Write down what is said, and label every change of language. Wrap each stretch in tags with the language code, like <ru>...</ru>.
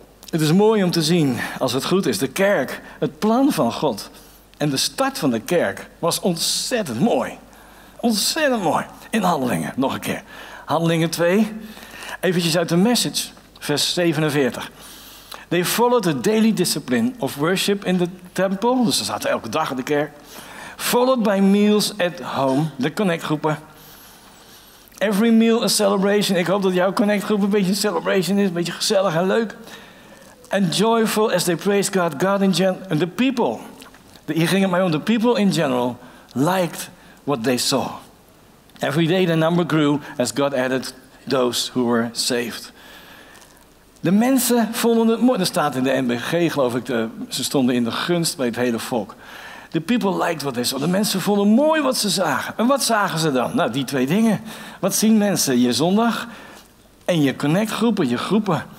<nl>Het is mooi om te zien, als het goed is, de kerk, het plan van God. En de start van de kerk was ontzettend mooi. Ontzettend mooi. In Handelingen, nog een keer. Handelingen 2... Eventjes uit de Message, vers 47.</nl> <en>They followed the daily discipline of worship in the temple.</en> <nl>Dus ze zaten elke dag in de kerk.</nl> <en>Followed by meals at home,</en> <nl>de connectgroepen.</nl> <en>Every meal a celebration.</en> <nl>Ik hoop dat jouw connectgroep een beetje een celebration is. Een beetje gezellig en leuk.</nl> <en>And joyful as they praised God. God in general. And the people.</en> <nl>Hier ging het mij om.</nl> <en>The people in general liked what they saw. Every day the number grew as God added those who were saved.</en> <nl>De mensen vonden het mooi. Dat staat in de NBG, geloof ik. Ze stonden in de gunst bij het hele volk.</nl> <en>The people liked what they saw.</en> <nl>De mensen vonden mooi wat ze zagen. En wat zagen ze dan? Nou, die twee dingen. Wat zien mensen? Je zondag en je connectgroepen, je groepen.</nl>